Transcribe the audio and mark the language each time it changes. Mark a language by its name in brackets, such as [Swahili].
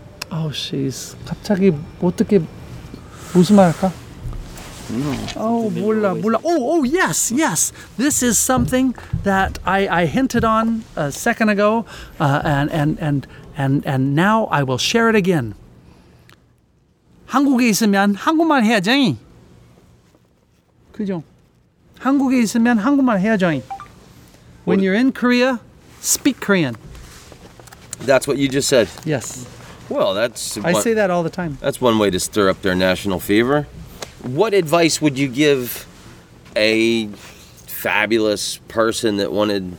[English] Oh, she's [Korean] 갑자기 어떻게 무슨 말일까? [English] No. Oh, [Korean] 몰라, 몰라. [English] Oh, yes, yes. This is something that I hinted on a second ago, and now I will share it again. [Korean] 한국에 있으면 한국말 해야지. 그죠? 한국에 있으면 한국말 해야지. [English] When you're in Korea, speak Korean. That's what you just said. Yes. Well, that's... I say that all the time. That's one way to stir up their national fever. What advice would you give a fabulous person that wanted...